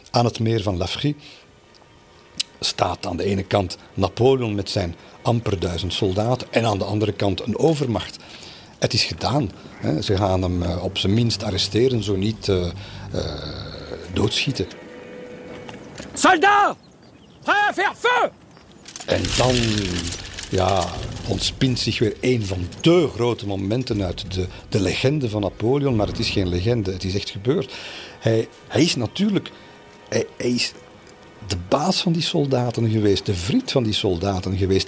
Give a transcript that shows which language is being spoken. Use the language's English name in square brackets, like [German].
[Dutch] Aan het meer van Lafrie staat aan de ene kant Napoleon met zijn amper 1000 soldaten en aan de andere kant een overmacht. Het is gedaan. Ze gaan hem op zijn minst arresteren, zo niet doodschieten. Soldaat! [French] Prêt à faire feu! [Dutch] En dan, ja, ontspint zich weer een van de grote momenten uit de legende van Napoleon. Maar het is geen legende, het is echt gebeurd. Hij is natuurlijk... Hij is de baas van die soldaten geweest, de vriend van die soldaten geweest.